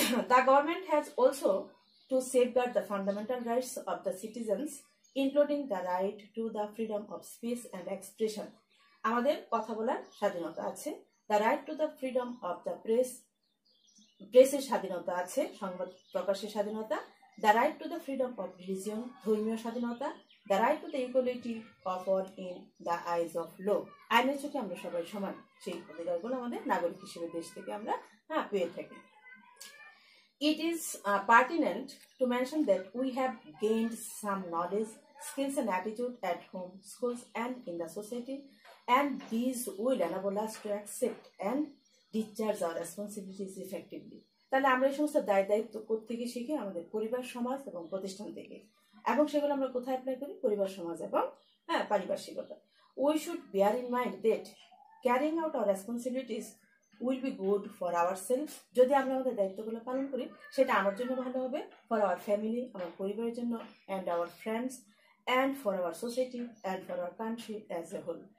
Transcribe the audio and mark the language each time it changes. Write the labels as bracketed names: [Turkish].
[English] the government has also to safeguard the fundamental rights of the citizens including the right to the freedom of speech and expression, [Bangla] আমাদের কথা বলার স্বাধীনতা আছে, [English] the right to the freedom of the press, [Bangla] প্রেসের স্বাধীনতা আছে, সংবাদ প্রকাশের স্বাধীনতা, [English] the right to the freedom of religion [Bangla] ধর্মীয় স্বাধীনতা, [English] the right to the equality offered in the eyes of law. [Bangla] আইনের চোখে আমরা সবাই সমান সেই অধিকারগুলো আমাদের নাগরিক হিসেবে দেশ থেকে আমরা পেয়ে থাকি. [English] It is pertinent to mention that we have gained some knowledge, skills and attitude at home, schools and in the society, and these will enable us to accept and discharge our responsibilities effectively. [Bangla] তাহলে আমরা এই সমস্ত দায় দায়িত্ব কোত্থেকে শিখি? আমাদের পরিবার, সমাজ এবং প্রতিষ্ঠান থেকে. এবং সেগুলো আমরা কোথায় অ্যাপ্লাই করি? পরিবার, সমাজ এবং পারিপার্শ্বিকতা. [English] We should bear in mind that carrying out our responsibilities will be good for our self. [Bangla] যদি আমরা আমাদের দায়িত্বগুলো পালন করি সেটা আমার জন্য ভালো হবে, [English] for our family [Bangla] আমার পরিবারের জন্য, [English] And our friends, and for our society, and for our country as a whole.